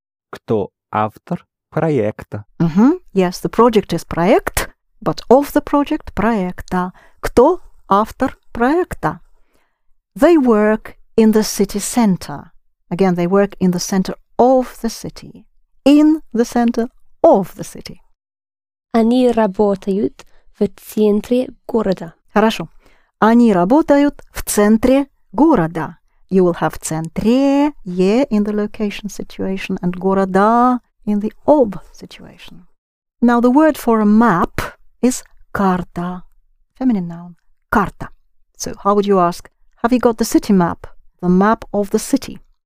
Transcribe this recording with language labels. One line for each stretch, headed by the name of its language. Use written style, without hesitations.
Russian: Кто автор проекта?
English: Mm-hmm. Yes, the project is проект, but of the project, проекта.
Russian: Кто автор проекта?
English: They work in the city center. Again, they work in the center of the city. In the center of the city.
Russian: Они работают в центре города. Хорошо. Они работают в центре города.
English: You will have центре, yeah, in the location situation, and города in the of situation. Now, the word for a map is карта. Feminine noun, карта. So, how would you ask, have you got the city map, the map of the city?